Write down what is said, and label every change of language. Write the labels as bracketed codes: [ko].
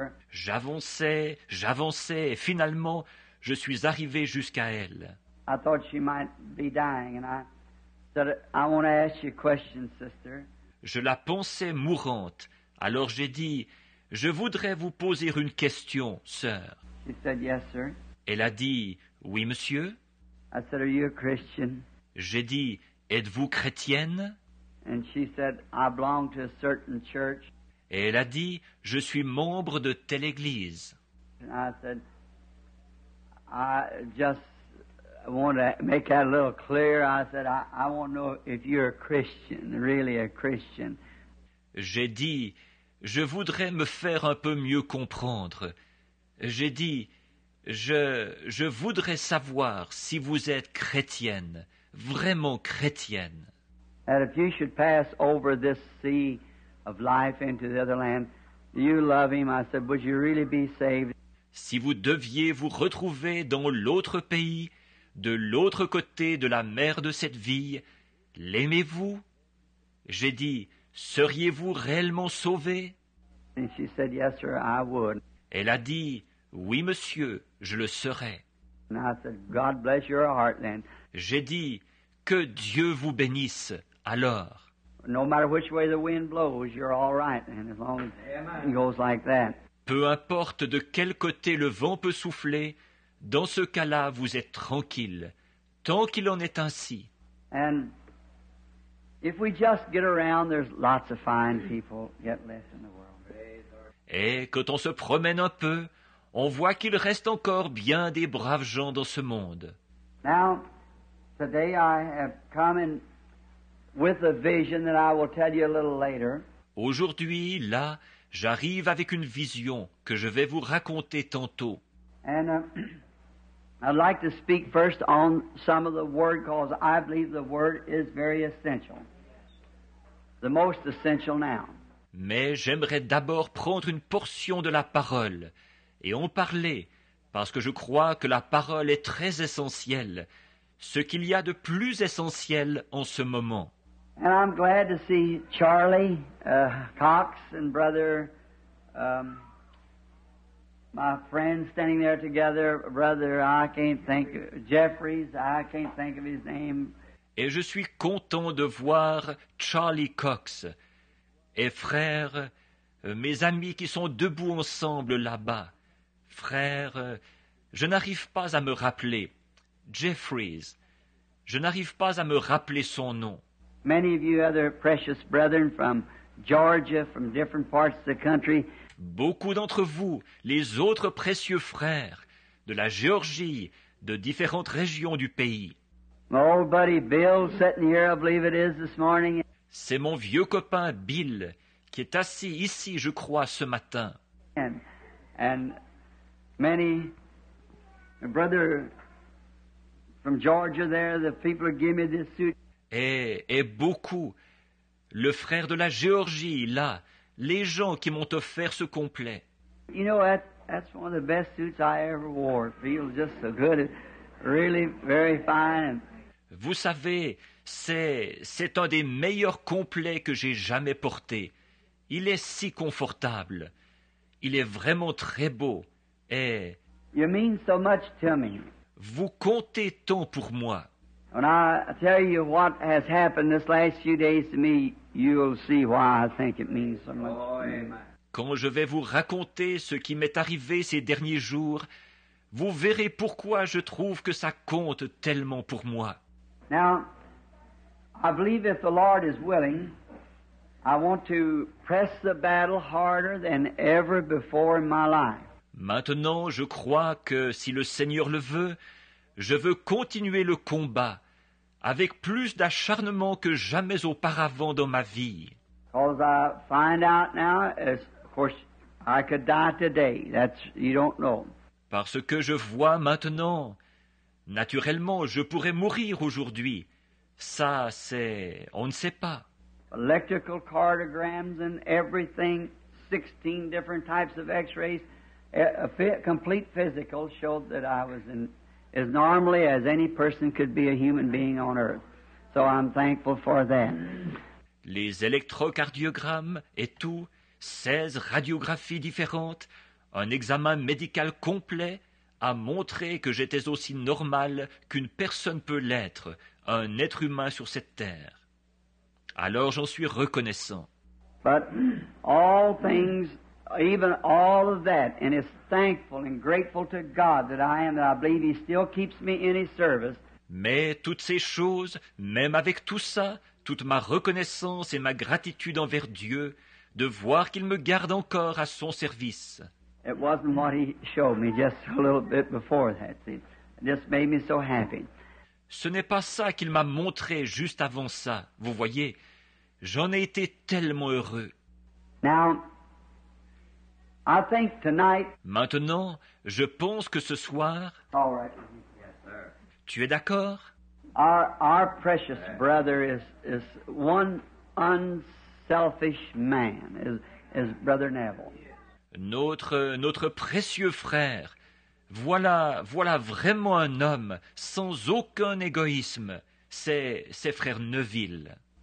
[fr] J'avançais, et finalement, je suis arrivé jusqu'à elle. [en] I thought she might be dying, and I said, I want to ask you a question, sister. [fr] Je la pensais mourante, alors j'ai dit, je voudrais vous poser une question, sœur. [en] She said, yes, sir. [fr] Elle a dit, oui, monsieur. [en] I said, are you a Christian? [fr] J'ai dit, êtes-vous chrétienne? [en] And she said, I belong to a certain church. [fr] Et elle a dit, je suis membre de telle église. [en] And I said, I just want to make that a little clear. I said, I want to know if you're a Christian, really a Christian. [fr] J'ai dit, je voudrais me faire un peu mieux comprendre. J'ai dit, je voudrais savoir si vous êtes chrétienne, vraiment chrétienne. [en] That if you should pass over this sea of life into the other land, you love him. I said, would you really be saved? [fr] Si vous deviez vous retrouver dans l'autre pays, de l'autre côté de la mer de cette vie, l'aimez-vous? J'ai dit, seriez-vous réellement sauvé? [en] And she said, yes, sir, I would. [fr] Elle a dit, oui, monsieur, je le serai. [en] And I said, God bless your heart, then. [fr] J'ai dit, que Dieu vous bénisse. Alors, [en] no matter which way the wind blows, you're all right, and as long as it goes like that. [fr] Peu importe de quel côté le vent peut souffler, dans ce cas-là, vous êtes tranquille, tant qu'il en est ainsi. [en] And if we just get around, there's lots of fine people, yet less in the world. [fr] Et quand on se promène un peu, on voit qu'il reste encore bien des braves gens dans ce monde. [en] Now, today I have come and with a vision that I will tell you a little later. [fr] Aujourd'hui, là, j'arrive avec une vision que je vais vous raconter tantôt. [en] And I'd like to speak first on some of the word, because I believe the word is very essential. The most essential now. [fr] Mais j'aimerais d'abord prendre une portion de la parole et en parler, parce que je crois que la parole est très essentielle, ce qu'il y a de plus essentiel en ce moment. [en] And I'm glad to see Charlie Cox and brother, my friend standing there together, brother, I can't think of, Jeffries, I can't think of his name. [fr] Et je suis content de voir Charlie Cox et frère, mes amis qui sont debout ensemble là-bas. Frère, je n'arrive pas à me rappeler, Jeffries, je n'arrive pas à me rappeler son nom. [en] Many of you other precious brethren from Georgia, from different parts of the country. [fr] Beaucoup d'entre vous, les autres précieux frères de la Géorgie, de différentes régions du pays. [en] My old buddy Bill sitting here, I believe it is this morning. [fr] C'est mon vieux copain Bill qui est assis ici, je crois, ce matin. [en] And many brother from Georgia there, the people give me this suit. [fr] Et beaucoup, le frère de la Géorgie, là, les gens qui m'ont offert ce complet. [en] You know, that's one of the best suits I ever wore. It feels just so good. Really very fine. [fr] Vous savez, c'est un des meilleurs complets que j'ai jamais porté. Il est si confortable. Il est vraiment très beau. Et [en] you mean so much to me. [fr] Vous comptez tant pour moi. [en] When I tell you what has happened this last few days to me, you'll see why I think it means so much. [fr] Quand je vais vous raconter ce qui m'est arrivé ces derniers jours, vous verrez pourquoi je trouve que ça compte tellement pour moi. [en] Now, I believe if the Lord is willing, I want to press the battle harder than ever before in my life. [fr] Maintenant, je crois que si le Seigneur le veut, je veux continuer le combat avec plus d'acharnement que jamais auparavant dans ma vie. [en] Because I find out now, as of course, I could die today. That's you don't know. [fr] Parce que je vois maintenant, naturellement, je pourrais mourir aujourd'hui. Ça, c'est... on ne sait pas. [en] Electrical cardiograms and everything, 16 different types of x-rays, complete physical showed that I was in as normally as any person could be a human being on earth. So I'm thankful for that. [fr] Les électrocardiogrammes et tout, 16 radiographies différentes, un examen médical complet a montré que j'étais aussi normal qu'une personne peut l'être, un être humain sur cette terre. Alors j'en suis reconnaissant. [en] But all things, even all of that, and is thankful and grateful to God that I am, that I believe He still keeps me in His service. [fr] Mais toutes ces choses, même avec tout ça, toute ma reconnaissance et ma gratitude envers Dieu, de voir qu'il me garde encore à son service. [en] It wasn't what he showed me just a little bit before that. See, it just made me so happy. [fr] Ce n'est pas ça qu'il m'a montré juste avant ça. Vous voyez, j'en ai été tellement heureux. [en] Now, I think tonight. [fr] Maintenant, je pense que ce soir. [en] All right. Yes, sir. [fr] Tu es d'accord? [en] Our precious brother is one unselfish man. Is Brother Neville. [fr] Notre précieux frère, voilà vraiment un homme sans aucun égoïsme, c'est frère Neville.